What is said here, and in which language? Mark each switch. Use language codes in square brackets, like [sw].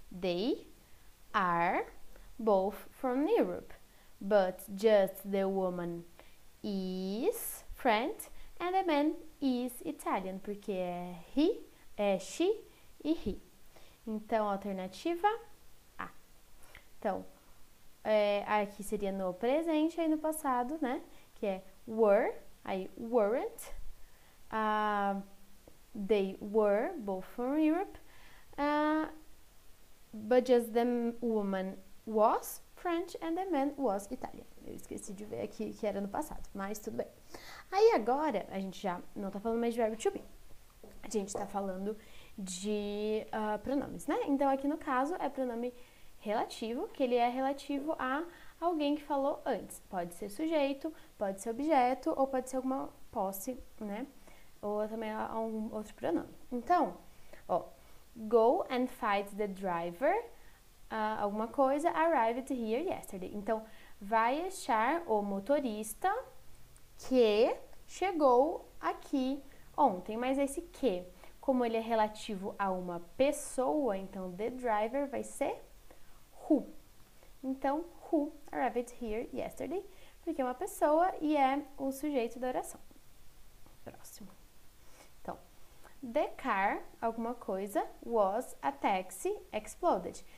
[en] They are both from Europe, but just the woman is French and the man is Italian, [pt] porque é he, é she e he. Então, alternativa A. Então, aqui seria no presente e no passado, né? Que é [en] were, aí weren't, they were both from Europe, but just the woman was French and the man was Italian. [pt] Eu esqueci de ver aqui que era no passado, mas tudo bem. Aí agora, a gente já não tá falando mais de verbo to be. A gente tá falando de pronomes, né? Então aqui no caso é pronome relativo, que ele é relativo a alguém que falou antes. Pode ser sujeito, pode ser objeto, ou pode ser alguma posse, né? Ou também a um outro pronome. Então, ó, [en] go and fight the driver. [pt] Alguma coisa [en] arrived here yesterday. [pt] Então, vai achar o motorista que chegou aqui ontem. Mas esse que? Como ele é relativo a uma pessoa, então the driver vai ser who. Então, [en] who arrived here yesterday? [pt] Porque é uma pessoa e é o sujeito da oração. Próximo. [en] The car, [pt] alguma coisa, [en] was a taxi exploded.